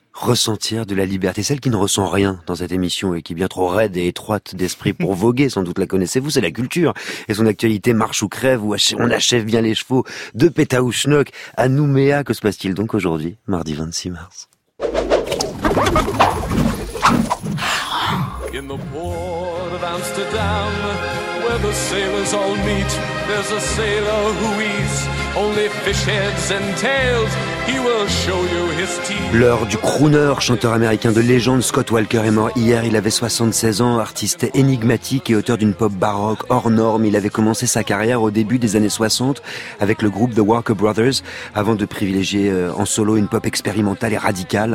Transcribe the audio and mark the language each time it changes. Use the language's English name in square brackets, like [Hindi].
[French] Ressentir de la liberté, celle qui ne ressent rien dans cette émission et qui est bien trop raide et étroite d'esprit pour voguer, sans doute la connaissez-vous, c'est la culture et son actualité marche ou crève, ou on achève bien les chevaux de Petaou Schnock à Nouméa. Que se passe-t-il donc aujourd'hui, mardi 26 mars ? [English] In the port of Amsterdam, where the sailors all meet, there's a sailor who eats only fish heads and tails. He will show you his teeth. [French] L'heure du crooner, chanteur américain de légende, Scott Walker est mort hier. Il avait 76 ans, artiste énigmatique et auteur d'une pop baroque hors norme. Il avait commencé sa carrière au début des années 60 avec le groupe The Walker Brothers, avant de privilégier en solo une pop expérimentale et radicale.